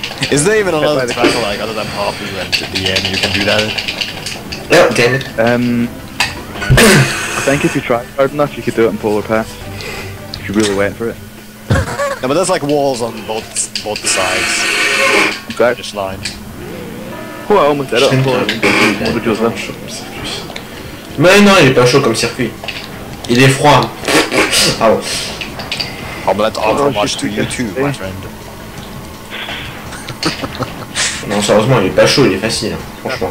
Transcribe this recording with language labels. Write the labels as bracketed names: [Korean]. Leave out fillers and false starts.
[English] Is there even another track like other than half you went to the end, you can do that? No, oh, damn it. I think if you try hard enough, you could do it in Polar Pass. If you really went for it. No, but there's like walls on both sides. Okay. Finish line. Oh, [French] mais non, il est pas chaud comme circuit. Il est froid. Ah bon. [English] Oh, but that's awful much to you too, my friend. [French] Non, sérieusement, il est pas chaud, il est facile, hein, franchement.